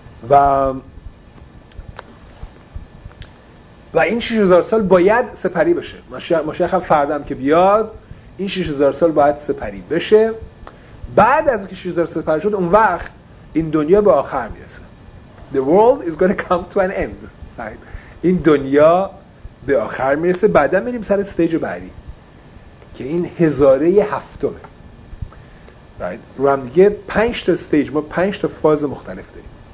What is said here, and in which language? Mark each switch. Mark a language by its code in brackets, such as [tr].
[fa] و این 6000 سال باید سپری بشه. مشیخ هم فردم که بیاد این 6000 سال باید سپری بشه. بعد از اینکه 6000 سال سپری شد اون وقت این دنیا به آخر میرسه. [en] The world is going to come to an end. [fa] Right. این دنیا به آخر میرسه. بعدا میریم سر استیج بعدی که این هزاره هفتمه. [en] Right. [fa] رو هم دیگه 5 تا استیج، ما 5 تا فاز مختلف داریم.